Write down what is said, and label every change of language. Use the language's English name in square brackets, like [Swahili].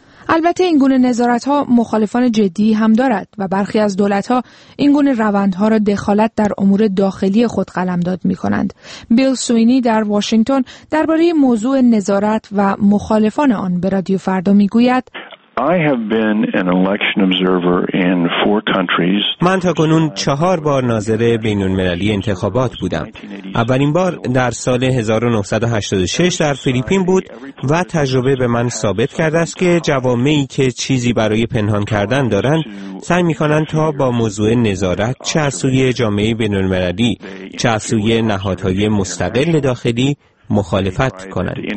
[Persian] البته این گونه نظارت‌ها مخالفان جدی هم دارد و برخی از دولت‌ها این گونه روندها را دخالت در امور داخلی خود قلمداد می‌کنند. بیل سوینی در واشنگتن درباره موضوع نظارت و مخالفان آن به رادیو فردا می‌گوید: [English] I have been an election observer in four countries. [Persian] من تاکنون 4 بار ناظر بین‌المللی انتخابات بودم. اولین بار در سال 1986 در فیلیپین بود و تجربه به من ثابت کرده است که جوامعی که چیزی برای پنهان کردن دارند، سعی می‌کنند تا با موضوع نظارت چه از سوی جامعه بین‌المللی، چه از سوی نهادهای مستقل داخلی مخالفت کنند.